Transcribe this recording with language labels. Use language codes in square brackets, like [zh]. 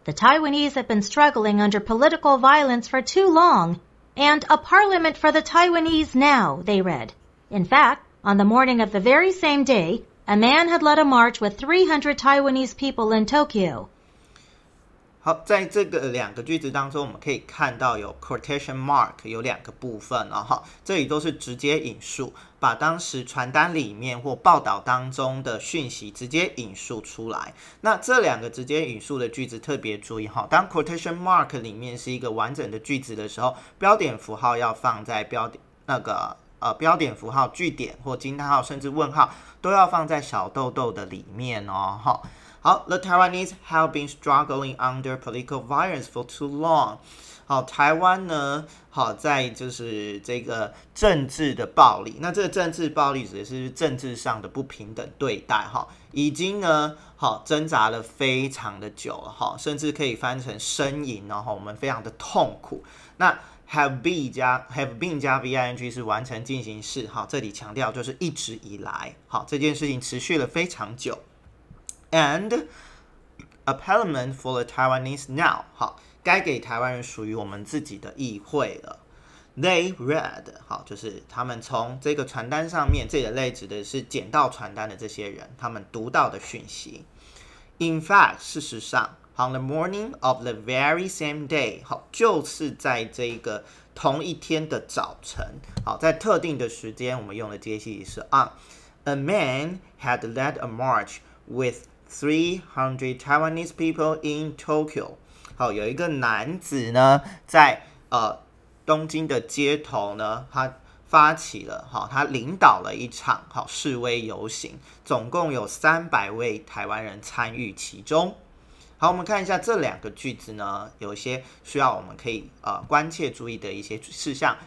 [en] The Taiwanese have been struggling under political violence for too long, and a parliament for the Taiwanese now, they read. In fact, on the morning of the very same day, a man had led a march with 300 Taiwanese people in Tokyo. [zh] 好，在这个两个句子当中，我们可以看到有 quotation mark 有两个部分哦，哈，这里都是直接引述，把当时传单里面或报道当中的讯息直接引述出来。那这两个直接引述的句子特别注意哈，当 quotation mark 里面是一个完整的句子的时候，标点符号要放在标点那个。标点符号、句点或惊叹号，甚至问号，都要放在小豆豆的里面哦。 [en] 好，The Taiwanese have been struggling under political violence for too long。 [zh] 好，台湾呢，好在就是这个政治的暴力。那这个政治暴力指的是政治上的不平等对待。哈，已经呢，好挣扎了非常的久了。哈，甚至可以翻成呻吟。然后我们非常的痛苦。那 have been 加 ving 是完成进行式，哈，这里强调就是一直以来，哈，这件事情持续了非常久。 [en] And a parliament for the Taiwanese now， [zh] 哈，该给台湾人属于我们自己的议会了。 [en] They read， [zh] 哈，就是他们从这个传单上面，这个类指的是捡到传单的这些人，他们读到的讯息。 [en] In fact， [zh] 事实上。 [en] On the morning of the very same day， [zh] 好，就是在这个同一天的早晨，好，在特定的时间，我们用的介系词是 on。 [en] A man had led a march with 300 Taiwanese people in Tokyo。 [zh] 好，有一个男子呢，在东京的街头呢，他发起了，好，他领导了一场好示威游行，总共有300位台湾人参与其中。好，我们看一下这两个句子呢，有一些需要我们可以关切注意的一些事项。